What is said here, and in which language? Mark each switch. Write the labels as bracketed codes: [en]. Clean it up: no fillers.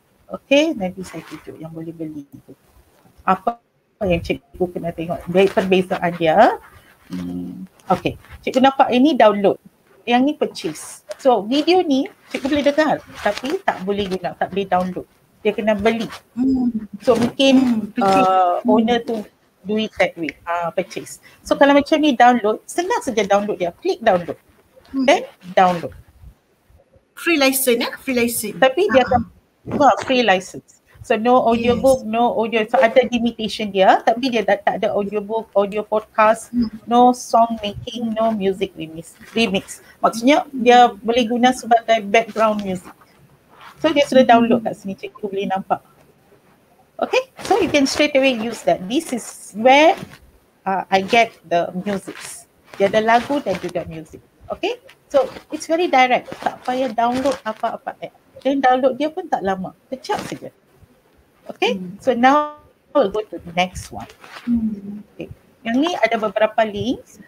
[ms] Okay, nanti saya tunjuk yang boleh beli tu. Apa yang cikgu kena tengok, perbezaan dia. Okay, cikgu nampak ini download, yang ni purchase. So video ni cikgu boleh dengar tapi tak boleh guna, tak boleh download. Dia kena beli. So mungkin owner tu [en] do it that way, [ms] purchase. So kalau macam ni download, senang saja download dia. Klik download. Then download. [en] Free license eh? Free license. [ms] Tapi dia akan free license. [en] So no audio book, no audio. [ms] So ada limitation dia tapi dia tak ada audio book, audio podcast, [en] no song making, no music remix. [ms] Maksudnya dia boleh guna sebagai background music. So dia sudah download kat sini, cikgu boleh nampak. [en] Okay, so you can straight away use that. This is where I get the music. [ms] Dia ada lagu dan juga music. [en] Okay, so it's very direct. [ms] Tak payah download apa-apa app. Then download dia pun tak lama. Kejap saja. [en] Okay, so now we'll go to the next one. [ms] Okay, yang ni ada beberapa links.